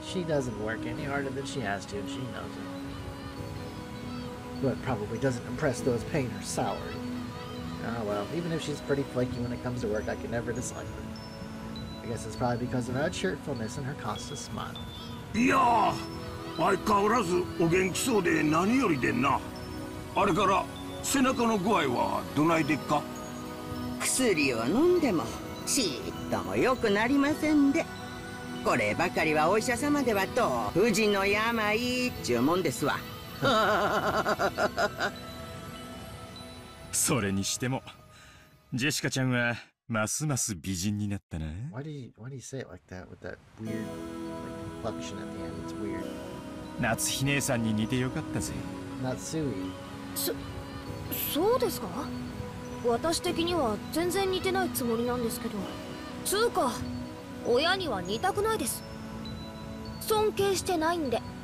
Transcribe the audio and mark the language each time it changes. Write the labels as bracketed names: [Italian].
[English] She doesn't work any harder than she has to, and she knows it. But probably doesn't impress those paying her salary. Ah well, even if she's pretty flaky when it comes to work, I can never dislike her. I guess it's probably because of her cheerfulness and her constant smile. Yeah! [Japanese] 相変わらずお元気そうで何よりでな。あれから背中の具合はどないでっか。薬を飲んでもちっとも良くなりませんで、こればかりはお医者様ではと不治の病っちゅうもんですわ。それにしてもジェシカちゃんはますます美人になったな。 [English] Why do you say it like that with that weird inflection at the end? It's weird. [Japanese] 夏姫姉さんに似てよかったぜ。夏すぐ。そうですか？私的には全然似てないつもりなんですけど。つうか、親には似たくないです。尊敬してないんで。